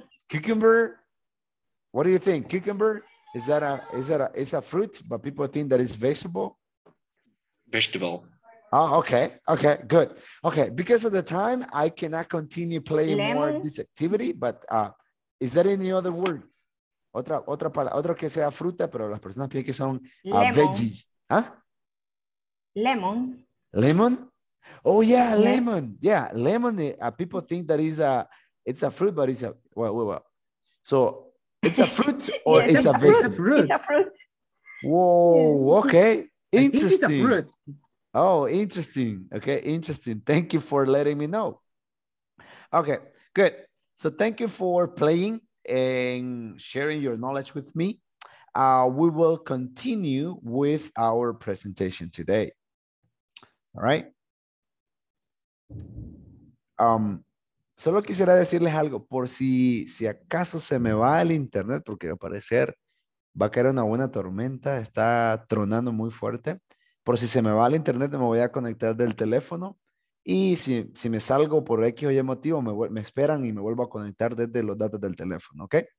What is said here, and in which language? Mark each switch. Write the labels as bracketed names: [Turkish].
[English] Cucumber. What do you think? Cucumber is a fruit, but people think that it's vegetable. Vegetable. Oh, okay. Okay. Good. Okay. Because of the time, I cannot continue playing lemon. More this activity. But is there any other word? [Spanish] Otra palabra, otro que sea fruta, pero las personas piensan que son veggies. ¿Ah? [English] Lemon. Lemon? Oh, yeah, yes. Lemon. Yeah, lemon. People think that it's a fruit, but it's a, well. So, it's a fruit or yes, it's a vegetable? It's a fruit. Whoa, okay. Interesting. I think it's a fruit. Oh, interesting. Okay, interesting. Thank you for letting me know. Okay, good. So, thank you for playing. And sharing your knowledge with me, we will continue with our presentation today. All right. [Spanish] Solo quisiera decirles algo, por si acaso se me va el internet, porque al parecer va a caer una buena tormenta, está tronando muy fuerte. Por si se me va el internet, me voy a conectar del teléfono. Y si me salgo por X o Y motivo, me esperan y me vuelvo a conectar desde los datos del teléfono, ¿ok?